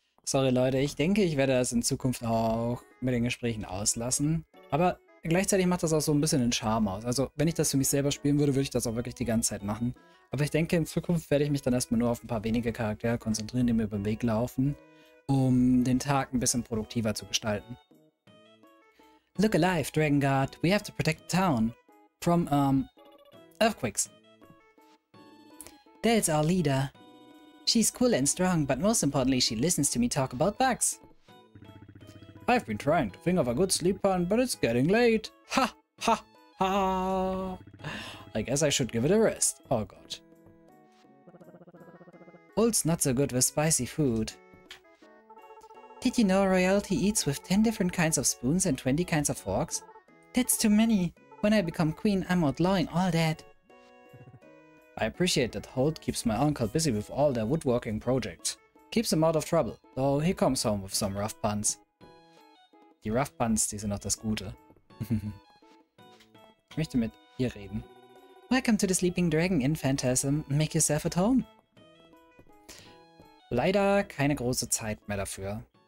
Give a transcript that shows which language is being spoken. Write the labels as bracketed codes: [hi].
[de] Sorry Leute, ich denke, ich werde das in Zukunft auch mit den Gesprächen auslassen. Aber... gleichzeitig macht das auch so ein bisschen den Charme aus. Also, wenn ich das für mich selber spielen würde, würde ich das auch wirklich die ganze Zeit machen. Aber ich denke, in Zukunft werde ich mich dann erstmal nur auf ein paar wenige Charaktere konzentrieren, die mir über den Weg laufen, um den Tag ein bisschen produktiver zu gestalten. [en] Look alive, Dragon Guard. We have to protect the town from, earthquakes. Dale's our leader. She's cool and strong, but most importantly, she listens to me talk about bugs. I've been trying to think of a good sleep plan, but it's getting late. Ha! Ha! Ha! I guess I should give it a rest. [de] Oh Gott. [en] Old's not so good with spicy food. Did you know royalty eats with 10 different kinds of spoons and 20 kinds of forks? That's too many. When I become queen, I'm outlawing all that. I appreciate that Holt keeps my uncle busy with all their woodworking projects. Keeps him out of trouble, though he comes home with some rough puns. [de] Die Rough Buns, die sind noch das Gute. Ich möchte mit ihr reden. [en] Welcome to the Sleeping Dragon in Phantasm. Make yourself at home. [de] Leider keine große Zeit mehr dafür.